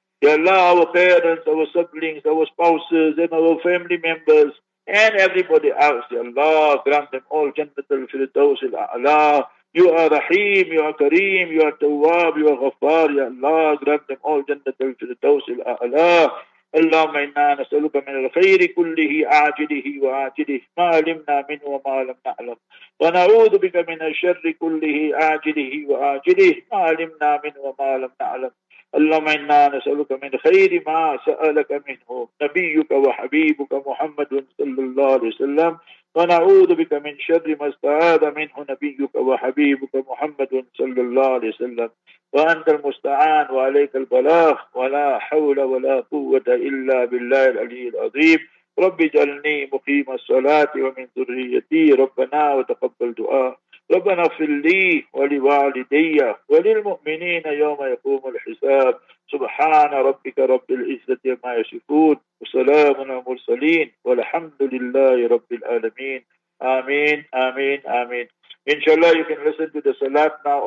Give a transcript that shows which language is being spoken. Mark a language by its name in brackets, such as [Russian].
[English] Ya Allah, our parents, our siblings, our spouses, and our family members, and everybody else, Ya Allah, grant them all Jannat al-Firdaus al-A'la. You are Rahim, you are Kareem, you are Tawwab, you are Ghaffar. Ya Allah, grant them all Jannat al-Firdaus al-A'la. [Arabic] اللهم إنا نسألك من الخير كله عاجله وآجله ما علمنا منه وما لم نعلم، ونعوذ بك من الشر كله عاجله وآجله ما علمنا منه وما لم نعلم. اللهم إنا نسألك من خير ما سألك منه نبيك وحبيبك محمد صلى الله عليه وسلم، ونعوذ بك من شر ما استعاذ منه نبيك وحبيبك محمد صلى الله عليه وسلم. وأنت المستعان وعليك البلاغ، ولا حول ولا قوة إلا بالله العلي العظيم. رب اجعلني مقيم الصلاة ومن ذريتي، ربنا وتقبل دعاء. ربنا اغفر لي ولوالدي وللمؤمنين يوم يقوم الحساب سبحان ربك رب العزة عما يصفون وسلام على المرسلين والحمد لله رب العالمين آمين آمين آمين. [English] Inshallah, you can listen to the Salat now.